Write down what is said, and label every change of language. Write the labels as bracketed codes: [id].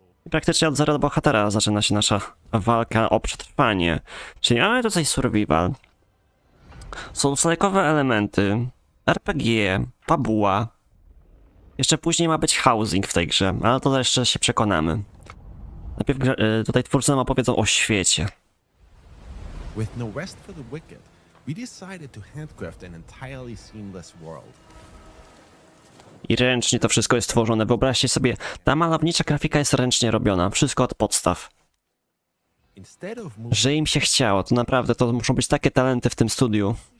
[pl] Praktycznie od zera do bohatera zaczyna się nasza walka o przetrwanie. Czyli mamy tutaj survival. Są slajkowe elementy. RPG, fabuła. Jeszcze później ma być housing w tej grze, ale to jeszcze się przekonamy. Najpierw tutaj twórcy nam opowiedzą o świecie. [en] With no rest for the wicked, we decided to handcraft an entirely seamless world. [pl] I ręcznie to wszystko jest tworzone. Wyobraźcie sobie, ta malownicza grafika jest ręcznie robiona. Wszystko od podstaw. Że im się chciało, to naprawdę, to muszą być takie talenty w tym studiu.